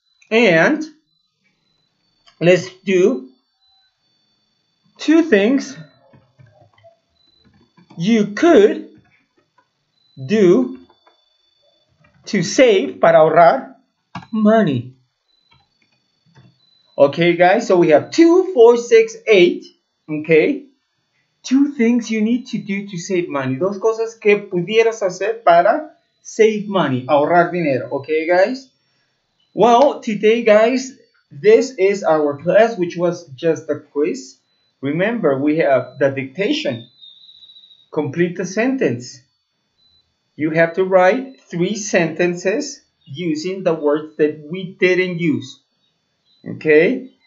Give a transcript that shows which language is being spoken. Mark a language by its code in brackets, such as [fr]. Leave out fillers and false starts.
[en] And let's do two things you could do to save, [es] para ahorrar, [en] money. Okay, guys, so we have 2, 4, 6, 8. Okay, two things you need to do to save money. [es] Dos cosas que pudieras hacer para [en] save money, [es] ahorrar dinero. [en] Okay, guys, well, today, guys, this is our class, which was just a quiz. Remember, we have the dictation. Complete the sentence. You have to write three sentences using the words that we didn't use. Okay?